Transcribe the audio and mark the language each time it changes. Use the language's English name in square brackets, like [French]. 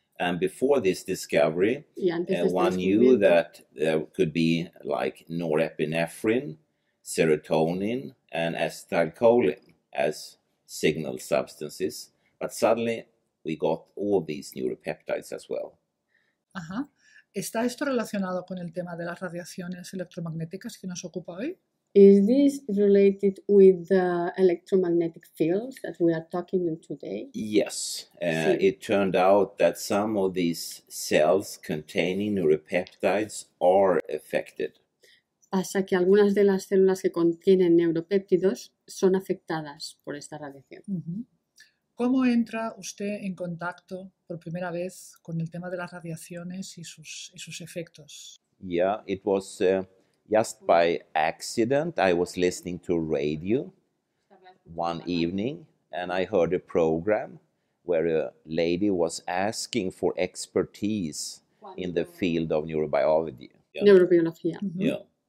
[English] And before this discovery, one knew that there could be like norepinephrine, serotonin and acetylcholine as signal substances, but suddenly we got all these neuropeptides as well. Ajá. [Spanish] ¿Está esto relacionado con el tema de las radiaciones electromagnéticas que nos ocupa hoy? [English] Is this related with the electromagnetic fields that we are talking in today? Yes. It turned out that some of these cells containing neuropeptides are affected. [Spanish] Pasa que algunas de las células que contienen neuropéptidos son afectadas por esta radiación. ¿Cómo entra usted en contacto por primera vez con el tema de las radiaciones y sus efectos? [English] Yeah, it was just by accident. I was listening to radio one evening and I heard a program where a lady was asking for expertise in the field of neurobiology. Yeah. Neurobiología. Yeah.